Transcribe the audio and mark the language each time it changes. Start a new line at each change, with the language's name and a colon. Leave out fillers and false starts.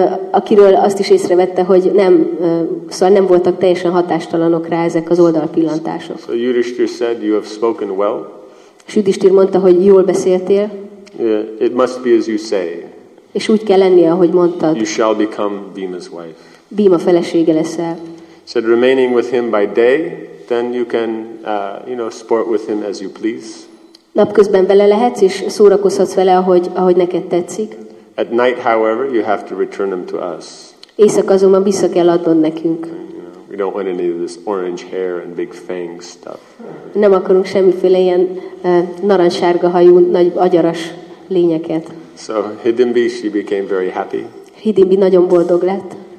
Hungarian: Akiről azt is észrevette, hogy nem voltak teljesen hatástalanok rá ezek az oldalpillantások.
English: So Yudhishthir said, "You have spoken well."
Hungarian: És Yudhishthir mondta, hogy jól beszéltél.
English: Yeah, it must be as you say.
Hungarian: És úgy kell lennie, ahogy mondtad.
English: You shall become Bhima's wife.
Hungarian: Bhima felesége leszel.
English: Said remaining with him by day, then you can, sport with him as you please.
Hungarian: Napközben vele lehetsz és szórakozhatsz vele, ahogy neked tetszik.
English: At night, however, you have to return him to us.
Hungarian: Éjszak azonban vissza kell adnod nekünk.
English: We don't want any of this orange hair and big fangs stuff.
Hungarian: Nem akarunk semmiféle ilyen narancssárga hajú, nagy agyaras lényeket.
English: So Hidimbi, she became very happy.
Hungarian: Hidimbi nagyon boldog lett.